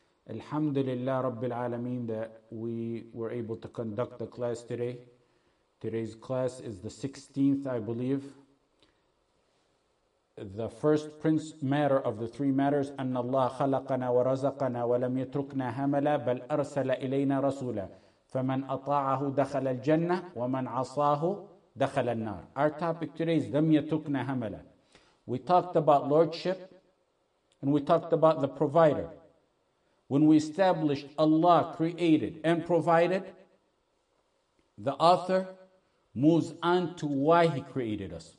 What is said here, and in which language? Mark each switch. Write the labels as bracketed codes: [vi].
[ar] الحمد لله رب العالمين [en] that we were able to conduct the class today. Today's class is the 16th, I believe. The first prince matter of the three matters, [ar] أن الله خلقنا ورزقنا ولم يتركنا هملا بل أرسل إلينا رسولا فمن أطاعه دخل الجنة ومن عصاه دخل النار. [en] Our topic today is [ar] لم يتركنا هملا. [en] We talked about lordship and we talked about the provider. When we established Allah created and provided, the author moves on to why he created us.